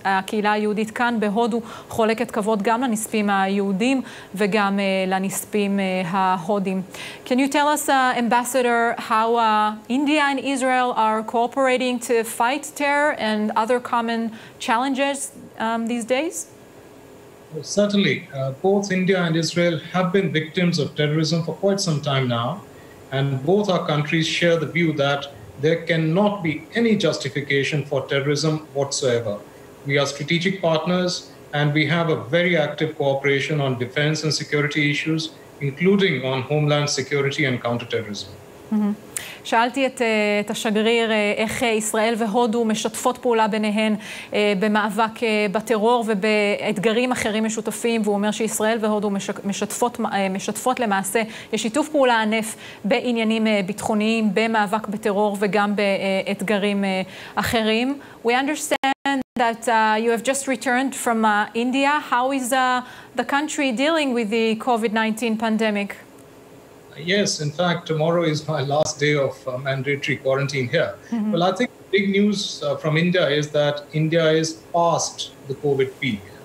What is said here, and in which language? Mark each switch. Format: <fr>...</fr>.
<he>הקהילה היהודית כאן בהודו חולקת כבוד גם לנספים היהודים וגם לנספים ההודים.</he> <en>Can you tell us, Ambassador, how India and Israel are cooperating to fight terror and other common challenges these days? Certainly. Both India and Israel have been victims of terrorism for quite some time now, and both our countries share the view that there cannot be any justification for terrorism whatsoever. We are strategic partners, and we have a very active cooperation on defense and security issues, including on homeland security and counterterrorism.</en> <he>שאלתי את השגריר איך ישראל והודו משתפות פעולה ביניהן במאבק בטרור ובאתגרים אחרים משותפים, והוא אומר שישראל והודו משתפות למעשה, יש שיתוף פעולה ענף בעניינים ביטחוניים, במאבק בטרור וגם באתגרים אחרים.</he> <en>We understand that you have just returned from India. How is the country dealing with the COVID-19 pandemic? Yes, in fact, tomorrow is my last day of mandatory quarantine here. Well, I think big news from India is that India is past the COVID peak.</en>